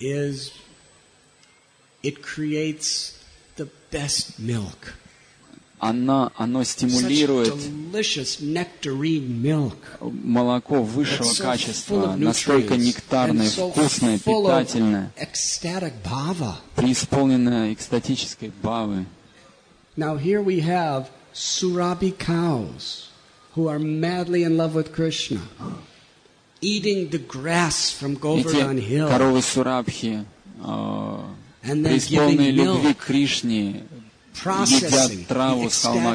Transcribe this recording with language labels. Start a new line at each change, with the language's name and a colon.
English: is it creates the best milk.
Russian: Оно стимулирует
English: such delicious nectarine milk.
Russian: Молоко высшего качества, настолько нектарное, вкусное, питательное,
English: ecstatic bhava.
Russian: Преисполненное экстатической бхавы.
English: Now here we have Surabhi cows who are madly in love with Krishna. Eating the grass from Govardhan Hill.
Russian: Эти коровы Сурабхи, преисполненные любви к Кришне, едят траву с холма